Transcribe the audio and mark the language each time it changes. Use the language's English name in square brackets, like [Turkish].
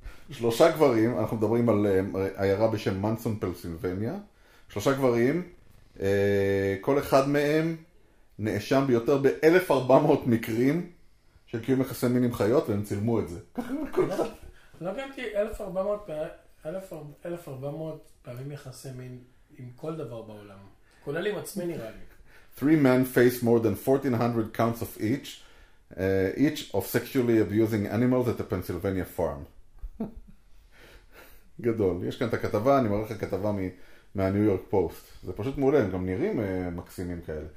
[Hebrew] שלושה גברים, אנחנו מדברים על עיירה בשם מנסון פלסילבניה, שלושה גברים, כל אחד מהם נאשם ביותר ב-1400 מקרים של קיום יחסי מין עם חיות, והם צילמו את זה. לא הבנתי, 1400 פעמים יחסי מין עם כל דבר בעולם, כולל עם עצמי נראה לי. [English] Three men faced more than 1400 counts of each of sexually abusing animals at a Pennsylvania farm. [Hebrew] גדול. יש כאן את הכתבה, אני מראה לך כתבה מהניו יורק פוסט. זה פשוט מעולה, הם גם נראים מקסימים כאלה.